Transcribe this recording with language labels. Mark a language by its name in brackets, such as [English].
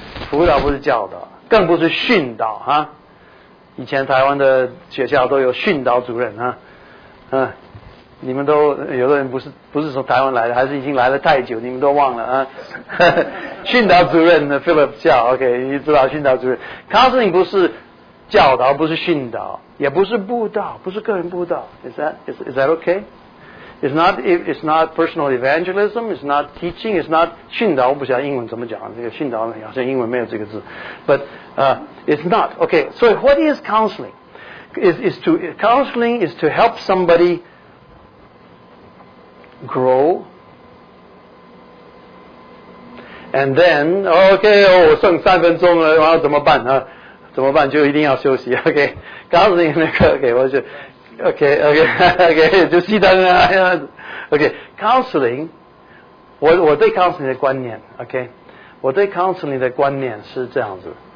[Chinese] 辅导不是教导，更不是训导啊。以前台湾的学校都有训导主任啊，你们都有的人不是从台湾来的，还是已经来了太久，你们都忘了啊。训导主任呢 ，Philip 教 ，OK， 你知道训导主任 ，counseling 不是教导，不是训导，也不是布道，不是个人布道 ， [English] Is that OK？ It's not personal evangelism. It's not teaching. It's not [Chinese] 训导。我不晓得英文怎么讲，这个训导好像英文没有这个字。 [English] But it's not. Okay, so what is counseling? Counseling is to help somebody grow. [Chinese] And then, okay, 我剩三分钟了，然后怎么办啊？怎么办？就一定要休息。 Okay, counseling 那个 okay, 我就。 Okay, okay, okay, 就熄灯啊。 Okay, counseling, 我对 counseling 的观念 ,okay, 我对 counseling 的观念是这样子。